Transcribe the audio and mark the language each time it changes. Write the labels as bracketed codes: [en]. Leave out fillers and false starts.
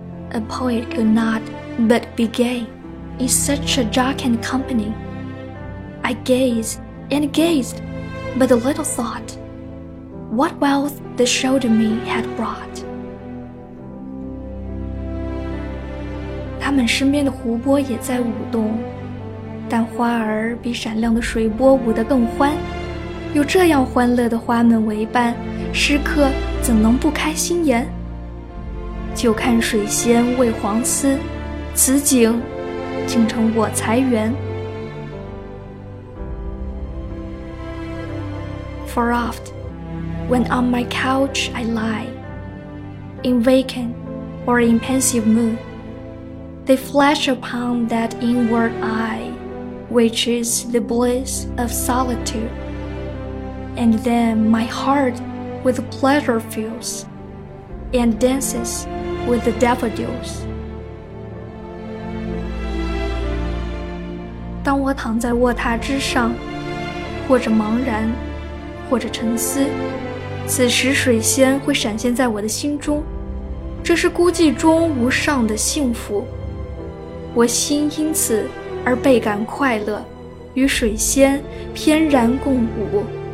[en] A poet could not but be gay in such a jocund company. I gazed. And gazed, but a little thought, what wealth the show to me had brought. [zh] 他们身边的湖泊也在舞动，但花儿比闪亮的水波舞得更欢。有这样欢乐的花们为伴，诗客怎能不开心颜？就看水仙为黄丝，此景竟成我裁员。 [en] For oft, when on my couch I lie, in vacant or in pensive mood, they flash upon that inward eye, which is the bliss of solitude, and then my heart with pleasure fills, and dances with the daffodils. [zh] 当我躺在卧榻之上，或者茫然或者沉思，此时水仙会闪现在我的心中，这是孤寂中无上的幸福。我心因此而倍感快乐，与水仙翩然共舞。